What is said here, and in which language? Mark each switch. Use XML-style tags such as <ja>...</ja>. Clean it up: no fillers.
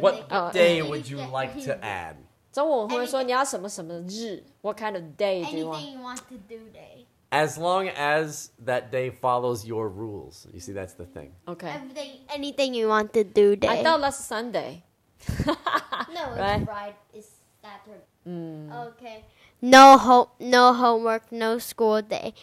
<en>what day would you like to add？</en> <zh>中文会说你要什么什么日？</zh> <en>What kind of day do you want? Anything you want to do day. As long as that day follows your rules, you see that's the thing. OK. Anything you want to do day. I thought last Sunday. No, it's right. It's Saturday. Okay. No homework, no school day.</en>